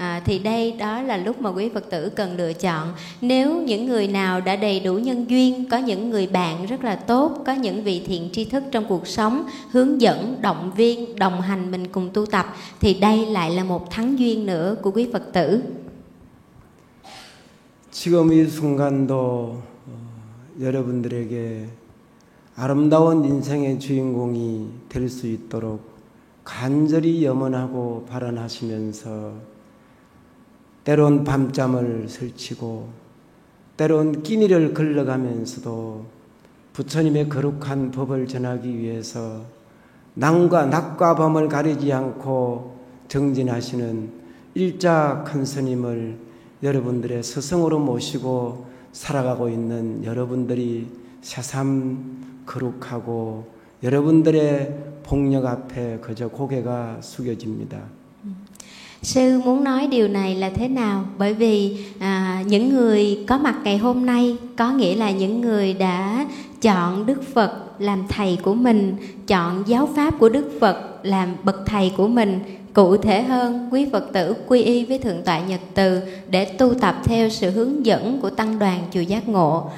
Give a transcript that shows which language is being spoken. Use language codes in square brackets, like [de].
[vi] Thì đây, đó là lúc mà quý Phật tử cần lựa chọn. Nếu những người nào đã đầy đủ nhân duyên, có những người bạn rất là tốt, có những vị thiện tri thức trong cuộc sống hướng dẫn, động viên, đồng hành mình cùng tu tập, thì đây lại là một thắng duyên nữa của quý Phật tử. [ko] 지금 이 순간도 여러분들에게 아름다운 인생의 주인공이 될 수 있도록 간절히 염원하고 발언하시면서 때론 밤잠을 설치고 때론 끼니를 걸러가면서도 부처님의 거룩한 법을 전하기 위해서 낮과 낮과 밤을 가리지 않고 정진하시는 일자 큰스님을 여러분들의 스승으로 모시고 살아가고 있는 여러분들이 새삼 거룩하고 여러분들의 복력 앞에 그저 고개가 숙여집니다. [vi] Sư muốn nói điều này là thế nào? Bởi vì những người có mặt ngày hôm nay có nghĩa là những người đã chọn Đức Phật làm thầy của mình, chọn giáo pháp của Đức Phật làm bậc thầy của mình. Cụ thể hơn, quý Phật tử quy y với Thượng tọa Nhật Từ để tu tập theo sự hướng dẫn của Tăng đoàn Chùa Giác Ngộ.